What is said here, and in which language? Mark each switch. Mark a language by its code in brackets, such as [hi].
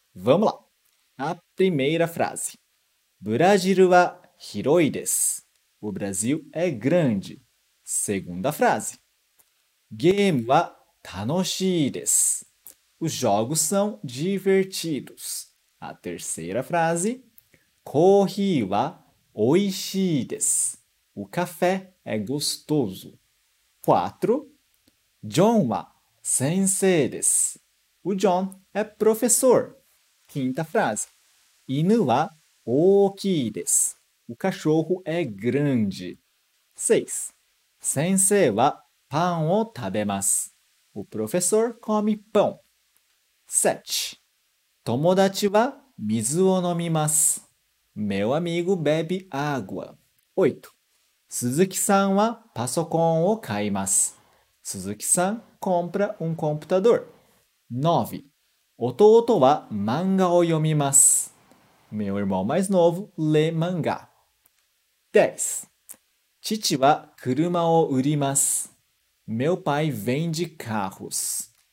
[pt] Vamos lá! A primeira frase. [ja] ブラジルは広いです。 [pt] O Brasil é grande. Segunda frase. [ja] ゲームは楽しいです。 [pt] Os jogos são divertidos. A terceira frase. [ja] コーヒーは美味しいです。 [pt] O café é gostoso. 4. [ja] John wa sensei desu. [pt] O John é professor. Quinta frase. [ja] Inu wa ookii desu. [pt] O cachorro é grande. 6. [ja] 先生はパンを食べます. [pt] O professor come pão. 7. [ja] 友達は水を飲みます. [pt] Meu amigo bebe água. [ja] 8. 鈴木さんはパソコンを買います. [pt] Suzuki-san compra um computador. [ja] 9. 弟は漫画を読みます. [pt] Meu irmão mais novo lê mangá. [ja] 10. 父は車を売ります. [pt] Meu pai vende carros.